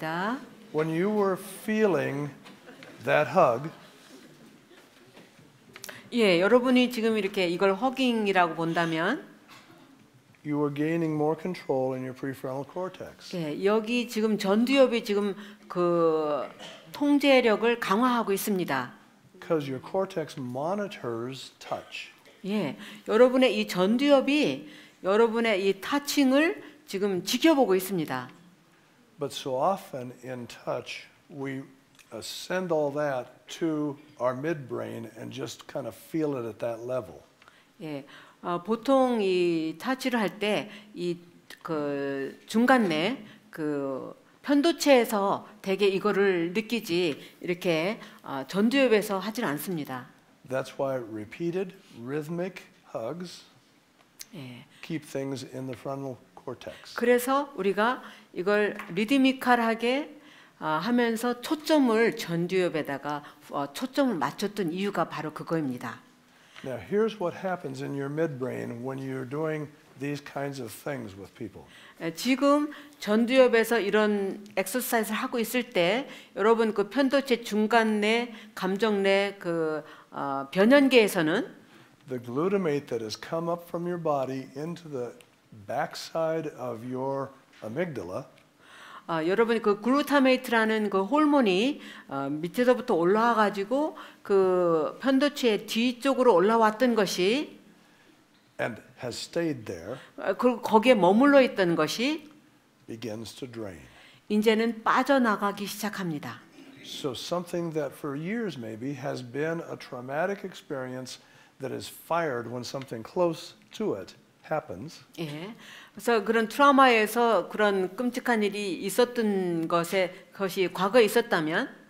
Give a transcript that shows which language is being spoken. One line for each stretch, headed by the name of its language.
English: Now, when you were feeling that hug,
Korean: 예, 여러분이 지금 이렇게 이걸 허깅이라고 본다면
English: you are gaining more control in your prefrontal cortex.
Korean: 예, 여기 지금 전두엽이 지금 그 통제력을 강화하고 있습니다.
English: Because your cortex monitors touch.
Korean: 예, 여러분의 이 전두엽이 여러분의 이 터칭을 지금 지켜보고 있습니다.
English: But so often in touch we send all that to our midbrain and just kind of feel it at that level.
Korean: 예, 보통 이 터치를 할 때 이 그 중간 내 그 편도체에서 되게 이거를 느끼지 이렇게 전두엽에서 하진 않습니다.
English: That's why repeated rhythmic hugs 예. keep things in the frontal cortex.
Korean: 그래서 우리가 이걸 리드미컬하게 하면서 초점을 전두엽에다가 초점을 맞췄던 이유가 바로 그거입니다.
English: Now here's what happens in your midbrain when you're doing these kinds of things with people.
Korean: 지금 전두엽에서 이런 엑서사이즈를 하고 있을 때 여러분 그 편도체 중간 내 감정 내 그 변연계에서는
English: the glutamate that has come up from your body into the backside of your amygdala
Korean: 여러분 그 글루타메이트라는 그 호르몬이 밑에서부터 올라와 가지고 그 편도체 뒤쪽으로 올라왔던 것이
English: and has stayed there
Korean: 그리고 거기에 머물러 있던 것이
English: begins to drain
Korean: 이제는 빠져나가기 시작합니다.
English: So something that for years maybe has been a traumatic experience that is fired when something close to it happens.
Korean: 예. 그래서 그런 트라우마에서 그런 끔찍한 일이 있었던 것에 것이 과거에 있었다면